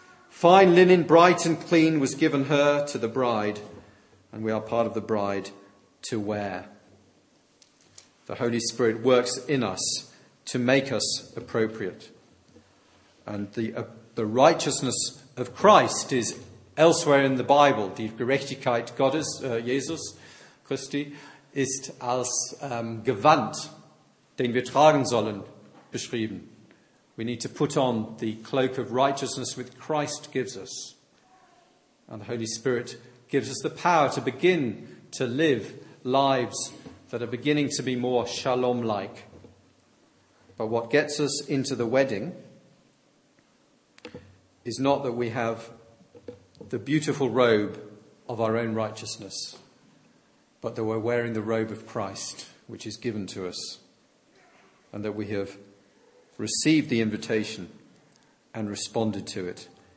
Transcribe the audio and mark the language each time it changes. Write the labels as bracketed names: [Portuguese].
[English] Fine linen, bright and clean, was given her to the bride, and we are part of the bride to wear. The Holy Spirit works in us to make us appropriate. And the righteousness of Christ is elsewhere in the Bible. [German] Die Gerechtigkeit Gottes, Jesus Christi, ist als Gewand, den wir tragen sollen, beschrieben. [English] We need to put on the cloak of righteousness which Christ gives us. And the Holy Spirit gives us the power to begin to live lives that are beginning to be more shalom-like. But what gets us into the wedding is not that we have the beautiful robe of our own righteousness, but that we're wearing the robe of Christ, which is given to us, and that we have received the invitation and responded to it.